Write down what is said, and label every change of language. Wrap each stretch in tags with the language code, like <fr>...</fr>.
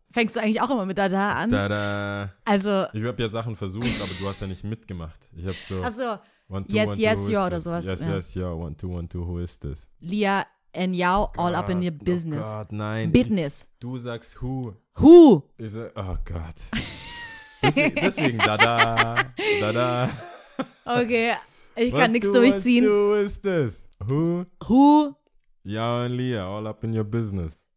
<de>Fängst du eigentlich auch immer mit Da-da an? Da-da. Also, ich hab ja Sachen versucht, aber du hast ja nicht mitgemacht. Ich hab so. Achso.</de> <en>One, two, yes, yo,</en> <de>oder sowas.</de> <en>Yes, yo, one, two, who is this? Lia and Yao, all up in your business.</en> <de>Oh Gott, nein.</de> <en>Business.</en> <de>Du sagst who.</de> <en>Who? Is it,</en> <de>oh Gott. Deswegen da-da. Da-da. Okay, ich kann nichts durchziehen.</de> <en>Who is this? Who? Who? Yao and Lia, all up in your business.</en>